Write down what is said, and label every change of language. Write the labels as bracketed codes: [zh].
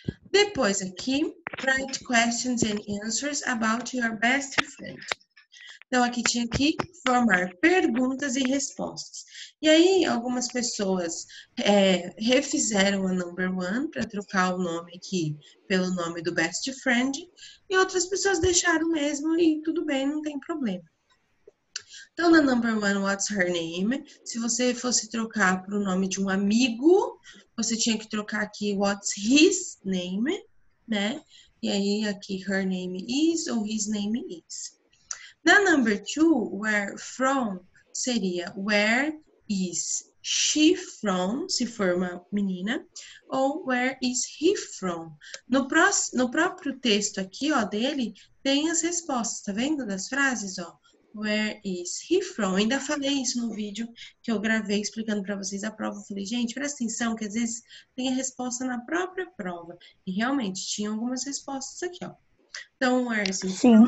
[pt] Depois aqui, [en] write questions and answers about your best friend. [pt] Então, aqui tinha que formar perguntas e respostas. E aí, algumas pessoas refizeram a number one para trocar o nome aqui pelo nome do best friend. E outras pessoas deixaram mesmo e tudo bem, não tem problema. Então, na number one, [en] what's her name? [pt] Se você fosse trocar para o nome de um amigo, você tinha que trocar aqui [en] what's his name, [pt] né? E aí, aqui, [en] her name is [pt] ou [en] his name is. [pt] Na number two, where from seria [en] where is she from, [pt] se for uma menina, ou [en] where is he from. [pt] No próprio texto aqui, ó, dele, tem as respostas, tá vendo? Das frases, ó, [en] where is he from. [pt] Ainda falei isso no vídeo que eu gravei explicando para vocês a prova. Eu falei, gente, presta atenção, que às vezes tem a resposta na própria prova. E realmente, tinha algumas respostas aqui, ó. Então, [en] where is he from?